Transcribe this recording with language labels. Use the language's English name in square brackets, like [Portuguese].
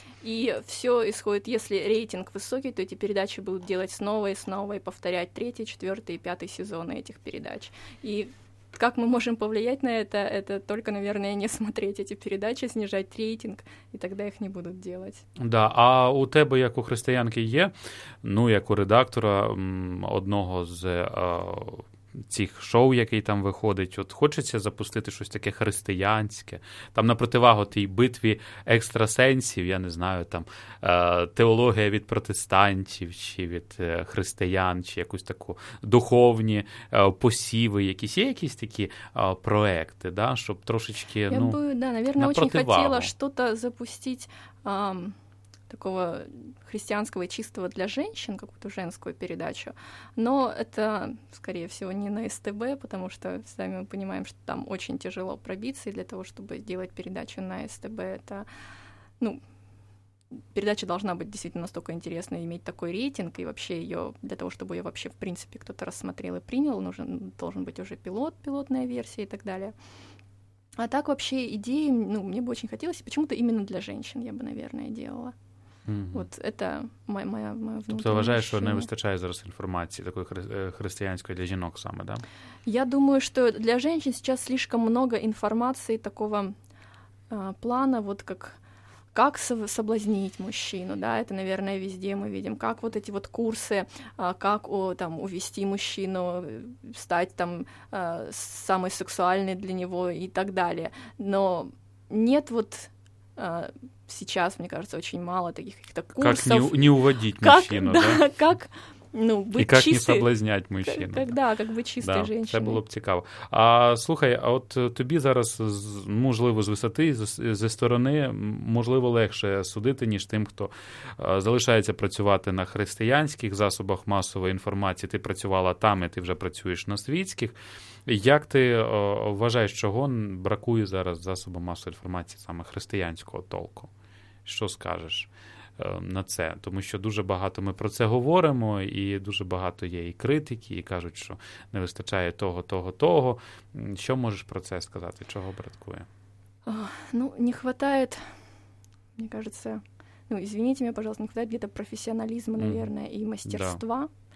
[Russian] И все исходит, если рейтинг высокий, то эти передачи будут делать снова и снова и повторять третий, четвертый и пятый сезоны этих передач. И как мы можем повлиять на это только, наверное, не смотреть эти передачи, снижать рейтинг, и тогда их не будут делать. [Ukrainian] Да, а у тебе, як у християнки, є, ну, як у редактора одного з цих шоу, який там виходить, от хочеться запустити щось таке християнське, там на противагу тій битві екстрасенсів, я не знаю, там теологія від протестантів чи від християн, чи якусь таку духовні посіви, якісь є якісь такі проекти, да, щоб трошечки, я, ну, [Russian] б, да, наверное, [Ukrainian] дуже хотіла щось запустити такого [Russian] христианского и чистого для женщин, какую-то женскую передачу. Но это, скорее всего, не на СТБ, потому что сами мы понимаем, что там очень тяжело пробиться, и для того, чтобы сделать передачу на СТБ, это, ну, передача должна быть действительно настолько интересной, иметь такой рейтинг, и вообще ее для того, чтобы ее вообще, в принципе, кто-то рассмотрел и принял, должен быть уже пилотная версия и так далее. А так вообще идеи, ну, мне бы очень хотелось, почему-то именно для женщин я бы, наверное, делала. Mm-hmm. [Ukrainian] От це моя внутрішня. Тобто вважаєш, що не вистачає зараз інформації такої християнської для жінок саме, да? Я думаю, що для жінок зараз [Russian] слишком много інформації такого плану, вот как соблазнить мужчину, да, это, наверное, везде мы видим, как вот эти вот курсы, как там увести мужчину, стать там самой сексуальной для него и так далее. Но нет вот... Сейчас, мне кажется, очень мало таких каких-то курсов. Как не уводить мужчину, да? Как, ну, быть чистой. И как не соблазнять мужчину. Да, как быть чистой женщиной. [Ukrainian] Це було б цікаво. А слухай, а от тобі зараз, можливо, з висоти, зі сторони, можливо, легше судити, ніж тим, хто залишається працювати на християнських засобах масової інформації. Ти працювала там, і ти вже працюєш на світських. Як ти вважаєш, чого бракує зараз засобам масової інформації саме християнського толку? Що скажеш на це? Тому що дуже багато ми про це говоримо, і дуже багато є і критики, і кажуть, що не вистачає того. Що можеш про це сказати? Чого бракує? [Russian] Ну, не хватает, мне кажется, ну, извините меня, пожалуйста, не хватает где-то профессионализма, наверное, и мастерства. Да.